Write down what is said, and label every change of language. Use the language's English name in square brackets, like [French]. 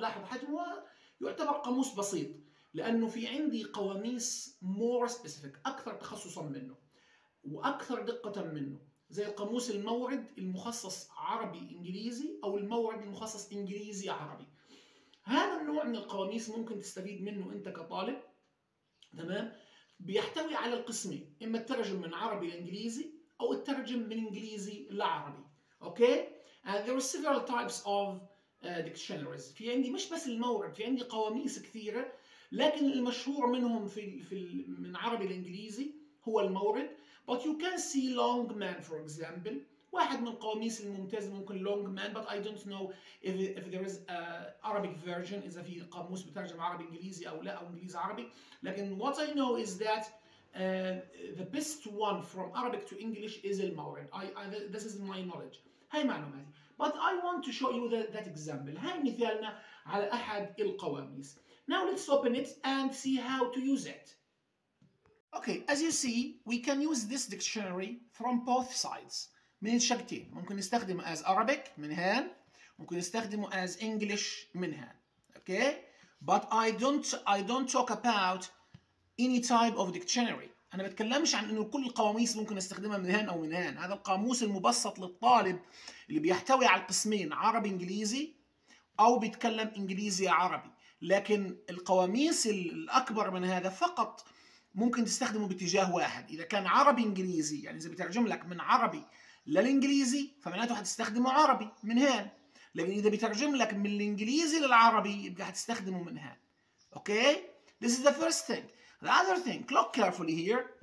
[Arabic] لاحظ حجمه يعتبر قاموس بسيط لأنه في عندي قواميس [English] more specific [Arabic] أكثر تخصصا منه وأكثر دقة منه زي قاموس الموعد المخصص عربي إنجليزي أو الموعد المخصص إنجليزي عربي. هذا النوع من القواميس ممكن تستفيد منه أنت كطالب. تمام؟ بيحتوي على القسمين، إما الترجم من عربي لإنجليزي أو الترجم من إنجليزي لعربي. [English] Okay, and there are several types of dictionaries. [Arabic] في عندي مش بس الموعد، في عندي قواميس كثيرة، لكن المشهور منهم في من عربي الإنجليزي هو الموعد. [English] But you can see Longman, for example. [Arabic] واحد من قواميس الممتاز ممكن [English] Longman, but I don't know if there is a Arabic version. [Arabic] إذا في قاموس بترجم عربي إنجليزي أو لا أو إنجليزي عربي. [English] لكن what I know is that the best one from Arabic to English is al-Mawrid. This is my knowledge. [Arabic] هاي معلوماتي. [English] But I want to show you that example. [Arabic] هاي مثالنا على أحد القواميس. [English] Now let's open it and see how to use it. Okay, as you see, we can use this dictionary from both sides. [Arabic] من الشقتين. ممكن نستخدمه [English] as Arabic [Arabic] من هان. ممكن نستخدمه [English] as English [Arabic] من هان. [English] Okay? But I don't talk about any type of dictionary. [Arabic] أنا بتكلمش عن إنه كل القواميس ممكن استخدمها من هان أو من هان. هذا القاموس المبسط للطالب اللي بيحتوي على القسمين عربي إنجليزي أو بيتكلم إنجليزي عربي. لكن القواميس الأكبر من هذا فقط ممكن تستخدمه باتجاه واحد. إذا كان عربي إنجليزي يعني إذا بترجم لك من عربي للإنجليزي فمعناته هتستخدمه عربي من هان. لكن إذا بترجم لك من الإنجليزي للعربي يبقى هتستخدمه من هان. [English] Okay? This is the first thing. The other thing, look carefully here.